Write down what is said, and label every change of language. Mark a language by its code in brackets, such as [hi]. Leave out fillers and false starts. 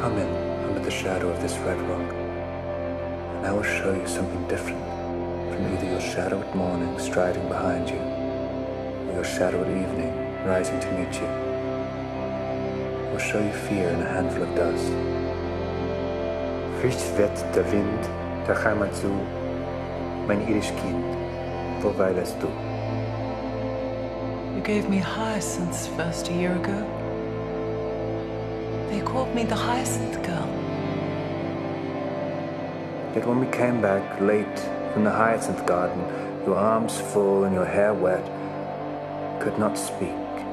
[en] Come in under the shadow of this red rock, and I will show you something different from either your shadow at morning striding behind you, or your shadow at evening rising to meet you. I will show you fear in a handful of dust. [de] Frisch weht der Wind der Heimat zu, mein irisch Kind, wo weilest du? [en] You gave me hyacinths first a year ago. They called me the hyacinth girl. Yet when we came back late from the hyacinth garden, your arms full and your hair wet, could not speak.